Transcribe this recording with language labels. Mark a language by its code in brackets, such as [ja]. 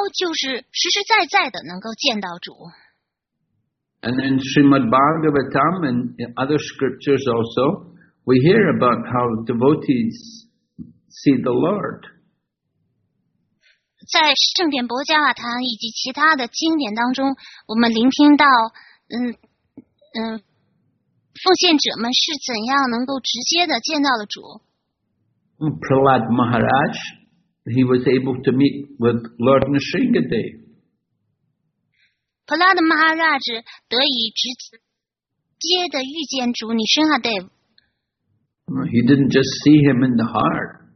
[zh] 而且他们说到了，通过做奉献服务，目标就是实实在在的能够见到主。 [en] And in Srimad Bhagavatam and in other scriptures also, we hear about how devotees see the Lord. [zh] 在圣典伯加塔坛以及其他的经典当中，我们聆听到，奉献者们是怎样能够直接的见到了主。 [en] Prahlad Maharaj, he was able to meet with Lord Nrisingadev. [zh] Prahlad Maharaj 得以直接的遇见主 Nrisingadev. [en] He didn't just see him in the heart.